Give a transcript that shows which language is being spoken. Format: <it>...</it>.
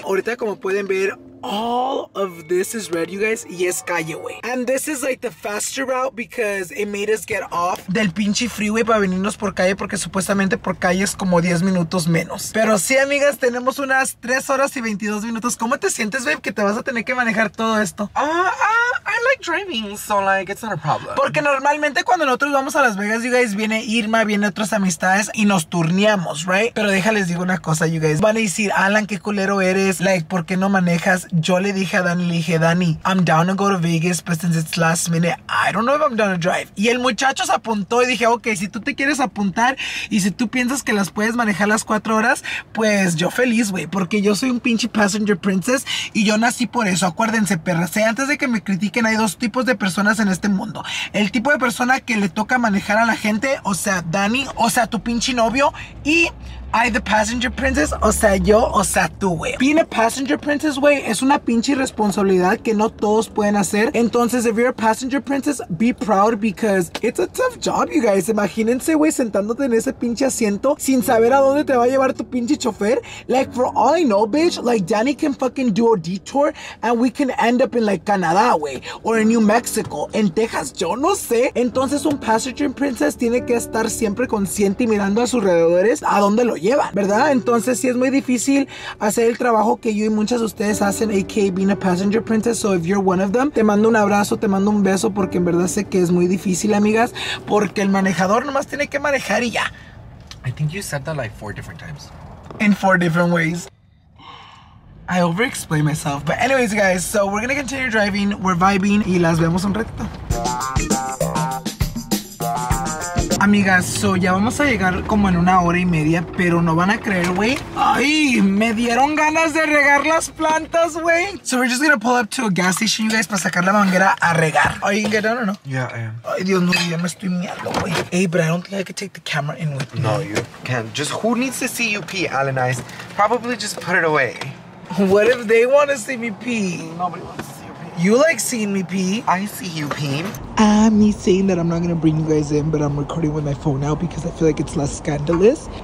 <es>Ahorita, como pueden ver,</es> <en>all of this is red, you guys.</en> <es>Y es calle, güey.</es> <en>And this is like the faster route because it made us get off</en> <es>del pinche freeway para venirnos por calle, porque supuestamente por calle es como 10 minutos menos. Pero sí, amigas, tenemos unas 3 horas y 22 minutos. ¿Cómo te sientes, babe, que te vas a tener que manejar todo esto?</es> <en>I like driving, so like it's not a problem.</en> <es>Porque normalmente cuando nosotros vamos a Las Vegas,</es> <en>you guys,</en> <es>viene Irma, viene otras amistades y nos turneamos, right? Pero déjales digo una cosa,</es> <en>you guys.</en> <es>Van a decir, Alan, qué culero eres. Like, ¿por qué no manejas? Yo le dije a Dani, le dije, Dani,</es> <en>I'm down to go to Vegas, but since it's last minute, I don't know if I'm down to drive.</en> <es>Y el muchacho se apuntó y dije, ok, si tú te quieres apuntar y si tú piensas que las puedes manejar las 4 horas, pues yo feliz, güey, porque yo soy un pinche passenger princess y yo nací por eso. Acuérdense, perras, antes de que me critiquen, hay dos tipos de personas en este mundo. El tipo de persona que le toca manejar a la gente, o sea, Dani, o sea, tu pinche novio, y</es> <en>I the passenger princess,</en> <es>o sea, yo, o sea, tú, güey.</es> <en>Being a passenger princess,</en> <es>güey, es una pinche responsabilidad que no todos pueden hacer.</es> <en>Entonces, if you're a passenger princess, be proud because it's a tough job, you guys.</en> <es>Imagínense, güey, sentándote en ese pinche asiento sin saber a dónde te va a llevar tu pinche chofer.</es> <en>Like, for all I know, bitch, like, Danny can fucking do a detour and we can end up in, like, Canadá, güey. Or in New Mexico,</en> <es>en Texas, yo no sé. Entonces, un passenger princess tiene que estar siempre consciente y mirando a sus alrededores a dónde lo lleva, ¿verdad? Entonces, sí es muy difícil hacer el trabajo que yo y muchas de ustedes hacen,</es> <en>aka being a passenger princess. So, if you're one of them,</en> <es>te mando un abrazo, te mando un beso, porque en verdad sé que es muy difícil, amigas, porque el manejador nomás tiene que manejar y ya.</es> <en>I think you said that like 4 different times. In 4 different ways. I overexplained myself. But anyways, guys, so we're gonna continue driving, we're vibing,</en> <es>y las vemos un ratito. Amigas, so ya vamos a llegar como en 1 hora y media, pero no van a creer, güey. Ay, me dieron ganas de regar las plantas, güey.</es> <en>So we're just gonna pull up to a gas station, you guys,</en> <es>para sacar la manguera a regar.</es> <en>Are you gonna get down or no? Yeah, I am.</en> <es>Ay, Dios mío, ya me estoy miando, güey.</es> <en>Hey, but I don't think I could take the camera in with me. No, you can't. Just who needs to see you pee, Alan Ice? Probably just put it away. What if they want to see me pee? Nobody wants to see you pee. You like seeing me pee. I see you pee. Me saying that I'm not gonna bring you guys in, but I'm recording with my phone now because I feel like it's less scandalous.</en>